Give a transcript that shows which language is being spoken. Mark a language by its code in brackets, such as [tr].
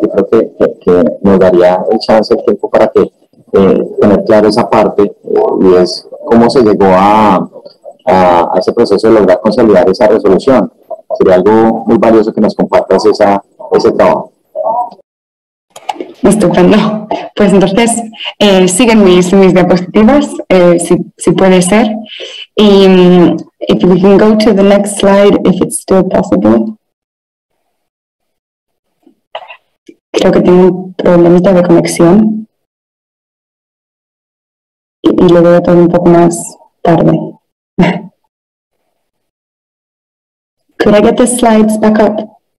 [es] Yo creo que nos daría el chance, el tiempo para que tener claro esa parte, y es cómo se llegó a ese proceso de lograr consolidar esa resolución. Sería algo muy valioso que nos compartas ese trabajo. Estupendo. Pues entonces, siguen mis diapositivas, si puede ser. [en] Y if we can go to the next slide, if it's still possible. [es] Creo que tengo un problemita de conexión. Y lo veo todo un poco más tarde. [en] Could I get the slides back up?